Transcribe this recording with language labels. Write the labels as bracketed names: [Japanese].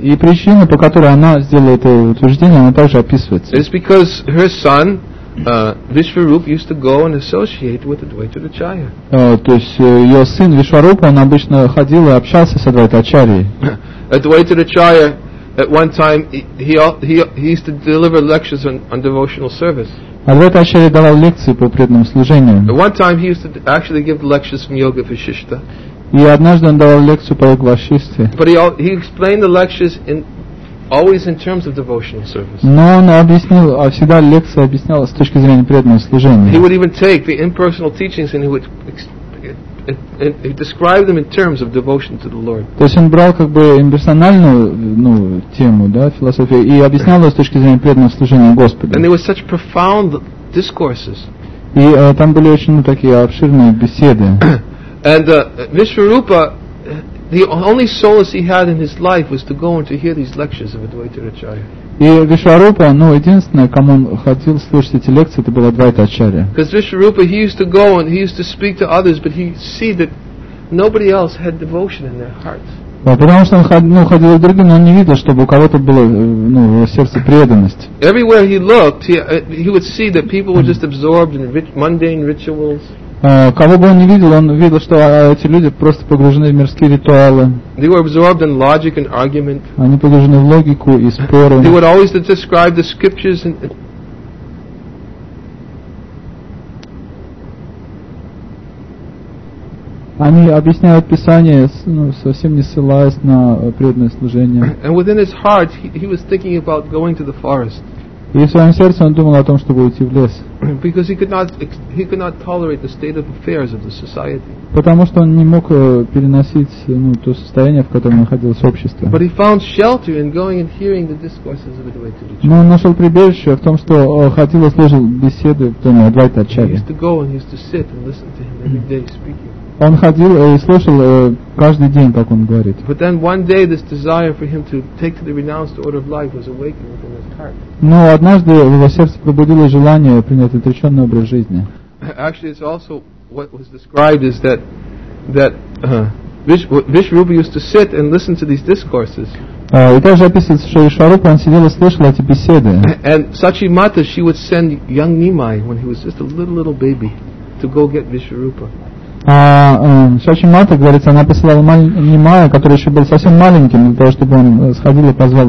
[Russian] И причина, по которой она сделала это утверждение, она также описывается. [English] It's because her son Vishwarup used to go and associate with Advaita Acharya. [Russian] То есть ее сын Вишварупа, он обычно ходил и общался с Адвайта Ачарьей. [English] Advaita Acharya at one time he used to deliver lectures on devotional service. [Russian] Адвайта Ачарья давал лекции по преданному служению. [English] At one time he used to actually give lectures from Yoga Vasishtha. [Russian] И однажды он давал лекцию по Йога Вашисте. [English] But he explained the lectures in always in terms of devotional service. [Russian] Но он объяснил, а всегда лекция объясняла с точки зрения преданного служения. [English] He would even take the impersonal teachings and he described them in terms of devotion to the Lord. [Russian] То есть он брал как бы имперсональную, ну, тему, да, философию, и объяснял с точки зрения преданного служения Господу. [English] And there were such profound discourses. [Russian] И там были очень, ну, такие обширные беседы. [English] And Vishwarupa, the only solace he had in his life was to go and to hear these lectures of Advaita Acharya. [Russian] И Вишварупа, ну, единственное, кому он хотел слушать эти лекции, это был Адвайта Ачарья. [English] Because Vishwarupa, he used to go and he used to speak to others, but he see that nobody else had devotion in their hearts. [Russian] Да, потому что он ходил к другим, но он не видел, чтобы у кого-то было, ну, в сердце преданность. [English] Everywhere he looked, he would see that people were just absorbed in mundane rituals. [Russian] Кого бы он ни видел, он видел, что эти люди просто погружены в мирские ритуалы. [English] They were absorbed in logic and argument. [Russian] Они погружены в логику и споры. [English] They would always describe the scriptures and [Russian] они объясняют Писание, ну, совсем не ссылаясь на преданное служение. [English] And within his heart he was thinking about going to the forest. [Russian] И в своем сердце он думал о том, чтобы уйти в лес. [English] Because he could not tolerate the state of affairs of the society. [Russian] Потому что он не мог переносить, ну, то состояние, в котором находилось общество. [English] But he found shelter in going and hearing the discourses of Advaita Acharya. [Russian] Но он нашел прибежище в том, что ходил и слушал беседы Адвайта Ачарьи. [English] He used to go and he used to sit and listen to him every day speaking. [Russian] Он ходил и слушал каждый день, как он говорит. [English] But then one day this desire for him to take to the renounced order of life was awakened within his heart. [Russian] Но однажды в его сердце пробудилось желание принять отреченный образ жизни. [English] Actually, it's also what was described is that Vishwarupa used to sit and listen to these discourses. And Sachimata, she would send young Nimai when he was just a little baby to go get Vishwarupa. [Russian] Сачимата, говорится, она посылала Нимая, который еще был совсем маленьким, для того, чтобы он сходил и позвал